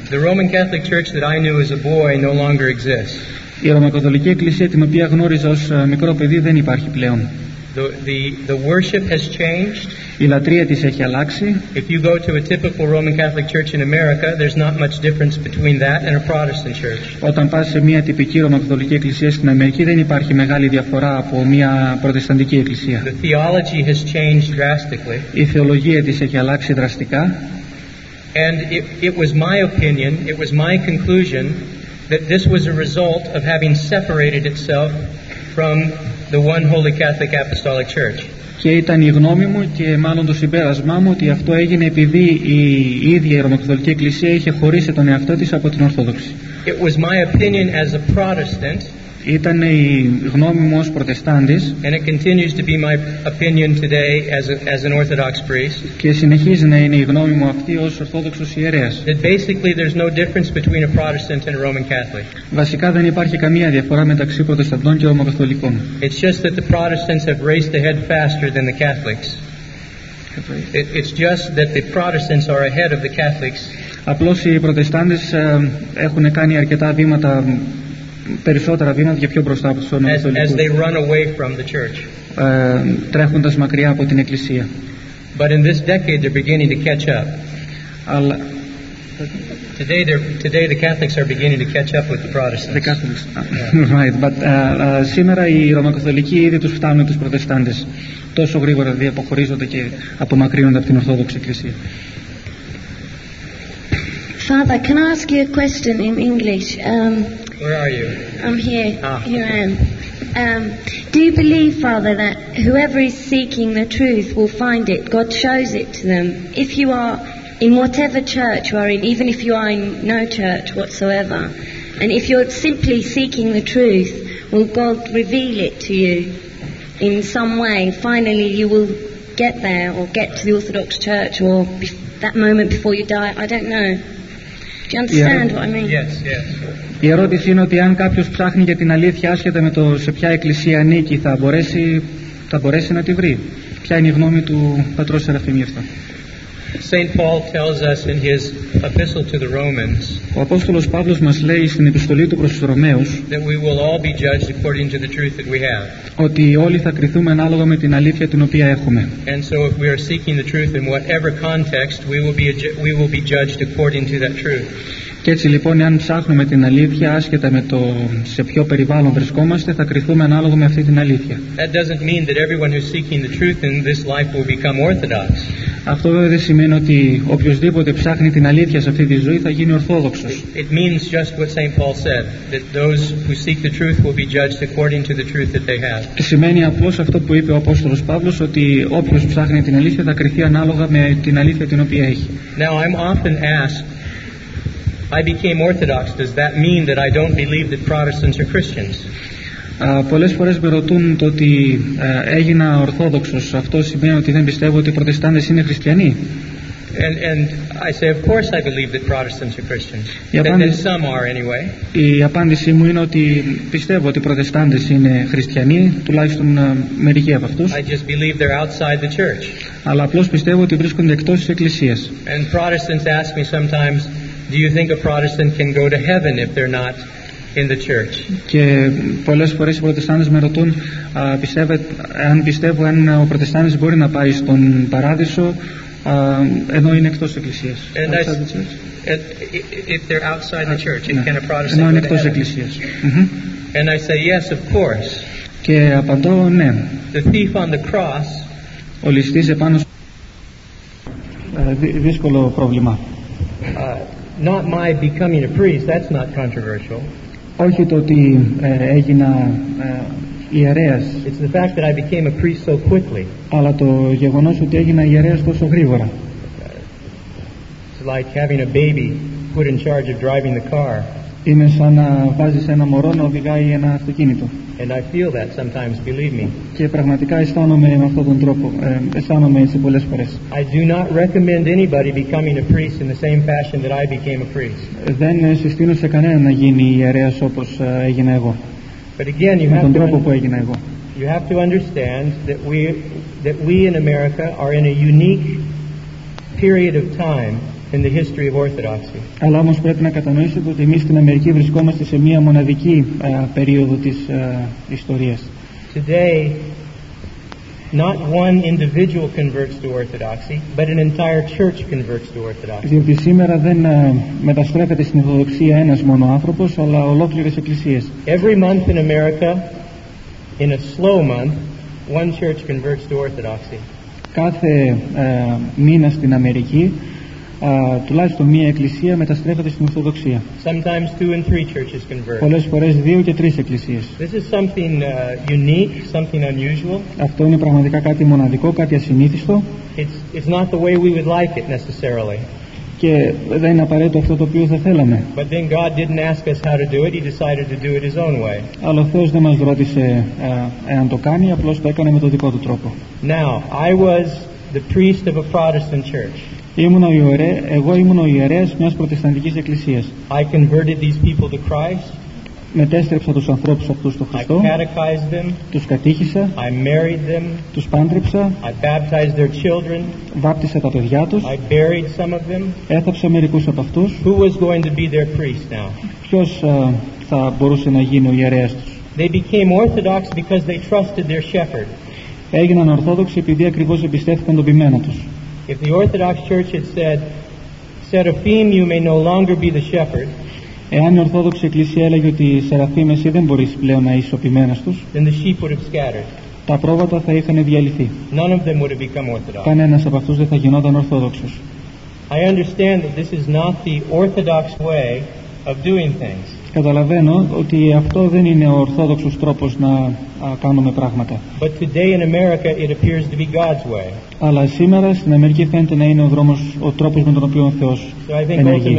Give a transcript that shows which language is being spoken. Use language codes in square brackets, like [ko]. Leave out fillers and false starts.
[en] The Roman Catholic Church that I knew as a boy no longer exists. [el] Η Ρωμαϊκή Εκκλησία την οποία γνώριζα ως μικρό παιδί δεν υπάρχει πλέον. [en] The worship has changed. [el] Η λατρεία της έχει αλλάξει. [en] If you go to a typical Roman Catholic church in America, there's not much difference between that and a Protestant church. [el] Όταν πας σε μια τυπική Ρωμαϊκή Εκκλησία στην Αμερική, δεν υπάρχει μεγάλη διαφορά από μια Προτεσταντική Εκκλησία. [en] The theology has changed drastically. [el] Η θεολογία της έχει αλλάξει δραστικά. [en] And it was my opinion, it was my conclusion that this was a result of having separated itself from the one Holy Catholic Apostolic Church. [el] Και ήταν η γνώμη μου και μάλλον το συμπέρασμά μου ότι αυτό έγινε επειδή η ίδια η Ρωμαϊκή Εκκλησία είχε χωρίσει τον εαυτό της από την Ορθόδοξη. [en] It was my opinion as a Protestant. [el] Ήταν η γνώμη μου ως Προτεστάντης. [en] And it continues to be my opinion today as an Orthodox priest. [el] Και συνεχίζει να είναι η γνώμη μου αυτή ως Ορθόδοξος ιερέας. [en] That basically there's no difference between a Protestant and a Roman Catholic. [el] Βασικά δεν υπάρχει καμία διαφορά μεταξύ Προτεσταντών και Ρωμαιοκαθολικών. [en] It's just that the Protestants have raced ahead faster than the Catholics. It's just that the Protestants are ahead of the Catholics. [el] Απλώς οι Προτεστάντες έχουν κάνει αρκετά βήματα, περισσότερα βήματα και πιο μπροστά από τους Ορθοδοξούς, τρέχοντας μακριά από την Εκκλησία. [en] But in this decade they're beginning to catch up. [el] Αλλά [en] today the Catholics are beginning to catch up with the Protestants. The Catholics. Yeah. Right. [el] But σήμερα οι Ρωμαϊκοκαθολικοί ήδη τους φτάνουν τους Προτεστάντες, τόσο γρήγορα δηλαδή αποχωρίζονται και απομακρύνονται από την Ορθόδοξη Εκκλησία. [en] Father, can I ask you a question in English? Where are you? I'm here. Ah, here okay. I am. Do you believe, Father, that whoever is seeking the truth will find it? God shows it to them. If you are in whatever church you are in, even if you are in no church whatsoever, and if you're simply seeking the truth, will God reveal it to you in some way? Finally, you will get there or get to the Orthodox Church or that moment before you die. I don't know. Do you understand what I mean? Yes, yes. [el] Η ερώτηση είναι ότι αν κάποιος ψάχνει για την αλήθεια άσχετα με το σε ποια εκκλησία ανήκει, θα μπορέσει να τη βρει. Ποια είναι η γνώμη του πατρός Σεραφείμ γι' αυτό? [en] Saint Paul tells us in his epistle to the Romans, [el] ο Απόστολος Παύλος μας λέει στην επιστολή του προς τους Ρωμαίους, [en] that we will all be judged according to the truth that we have. [el] Ότι όλοι θα κριθούμε ανάλογα με την αλήθεια την οποία έχουμε. [en] And so if we are seeking the truth in whatever context, we will be judged according to that truth. [el] Και έτσι λοιπόν, αν ψάχνουμε την αλήθεια άσχετα με το σε ποιο περιβάλλον βρισκόμαστε, θα κριθούμε ανάλογα με αυτή την αλήθεια. [en] That doesn't mean that everyone who's seeking the truth in this life will become orthodox. [el] Αυτό βέβαια δεν σημαίνει ότι οποιοδήποτε ψάχνει την αλήθεια σε αυτή τη ζωή θα γίνει ορθόδοξος. [en] It means just what Saint Paul said, that those who seek the truth will be judged according to the truth that they have. [el] Σημαίνει απλώς αυτό που είπε ο Απόστολος Παύλος, ότι όποιος ψάχνει την αλήθεια θα κριθεί ανάλογα με την αλήθεια την οποία έχει. [en] Now I'm often asked, I became orthodox, does that mean that I don't believe that Protestants are Christians? [el] Πολλές φορές με ρωτούν το ότι έγινα ορθόδοξος, αυτό σημαίνει ότι δεν πιστεύω ότι οι Προτεστάντες είναι χριστιανοί? [en] And I say, of course I believe that Protestants are Christians. Some are anyway. [el] Η απάντησή μου είναι ότι πιστεύω ότι οι Προτεστάντες είναι χριστιανοί, τουλάχιστον μερικοί από αυτούς. [en] I just believe they're outside the church. [el] Αλλά απλώς πιστεύω ότι βρίσκονται εκτός της Εκκλησίας. [en] And Protestants ask me sometimes, do you think a Protestant can go to heaven if they're not in the church? [el] Και πολλές φορές οι Προτεστάντες με ρωτούν, αν πιστεύω αν ο Προτεστάντης μπορεί να πάει στον Παράδεισο ενώ είναι εκτός της Εκκλησίας. [en] If they're outside the church, can a Protestant go to heaven? [el] Εκτός της Εκκλησίας. [en] And I say, yes, of course. [el] Και απαντώ, ναι. [en] The thief on the cross. [el] Ο ληστής επάνω. Δύσκολο πρόβλημα. [en] Not my becoming a priest, that's not controversial. [el] Όχι το ότι έγινα ιερέας. [en] It's the fact that I became a priest so quickly. [el] Αλλά το γεγονός ότι έγινα ιερέας τόσο γρήγορα. [en] It's like having a baby put in charge of driving the car. [el] Είναι σαν να βάζεις ένα μωρό να οδηγάει ένα αυτοκίνητο. [en] And I feel that sometimes, believe me. [el] Και πραγματικά αισθάνομαι με αυτόν τον τρόπο. Αισθάνομαι έτσι πολλές φορές. [en] I do not recommend anybody becoming a priest in the same fashion that I became a priest. [el] Δεν συστήνω σε κανένα να γίνει ιερέας όπως έγινα εγώ. [en] But again, you [el] με [en] have [el] τον [en] to [el] τρόπο που έγινα εγώ. [en] You have to understand that we in America are in a unique period of time in the history of Orthodoxy. [el] Αλλά όμως πρέπει να κατανοήσετε ότι εμείς στην Αμερική βρισκόμαστε σε μια μοναδική περίοδο της ιστορίας. [en] Today, not one individual converts to Orthodoxy, but an entire church converts to Orthodoxy. [el] Διότι σήμερα δεν μεταστρέφεται στην Ορθοδοξία ένας μόνο άνθρωπος, αλλά ολόκληρες εκκλησίες. [en] Every month in America, in a slow month, one church converts to Orthodoxy. [el] Κάθε μήνα στην Αμερική, τουλάχιστον μία εκκλησία μεταστρέφεται στην Ορθοδοξία. [en] Sometimes two and three churches convert. [el] Πολλές φορές δύο και τρεις εκκλησίες. [en] This is something unique, something unusual. [el] Αυτό είναι πραγματικά κάτι μοναδικό, κάτι ασυνήθιστο. [en] It's not the way we would like it necessarily. [el] Και δεν είναι απαραίτητο αυτό το οποίο θα θέλαμε. [en] But then God didn't ask us how to do it. He decided to do it His own way. [el] Αλλά ο Θεός δεν μας ρώτησε εάν το κάνει, απλώς το έκανε με τον δικό του τρόπο. [en] Now, I was the priest of a Protestant church. [el] Εγώ ήμουν ο ιερέας μιας προτεσταντικής εκκλησίας. [en] I converted these people to Christ. [el] Μετέστρεψα τους ανθρώπους αυτούς στο Χριστό. [en] I catechized them. [el] Τους κατήχησα. [en] I married them. [el] Τους πάντρεψα. [en] I baptized their children. [el] Βάπτισα τα παιδιά τους. [en] I buried some of them. [el] Έθαψα μερικούς από αυτούς. [en] Who was going to be their priest now? [el] Ποιος θα μπορούσε να γίνει ο ιερέας τους? [en] They became orthodox because they trusted their shepherd. [el] Έγιναν ορθόδοξοι επειδή ακριβώς εμπιστεύτηκαν τον ποιμένα τους. [en] If the Orthodox Church had said, Seraphim, you may no longer be the shepherd, [el] εάν η Ορθόδοξη Εκκλησία έλεγε ότι Σεραφείμ, εσύ δεν μπορείς πλέον να είσαι ο ποιμένας τους, [en] then the sheep would have scattered. [el] Τα πρόβατα θα είχαν διαλυθεί. [en] None of them would have become Orthodox. [el] Κανένας από αυτούς δεν θα γινόταν Ορθόδοξος. [en] I understand that this is not the Orthodox way of doing things. [el] Καταλαβαίνω ότι αυτό δεν είναι ο ορθόδοξος τρόπος να κάνουμε πράγματα. [en] But today in America it appears to be God's way. [el] Αλλά σήμερα στην Αμερική φαίνεται να είναι ο τρόπος με τον οποίο ο Θεός ενεργεί.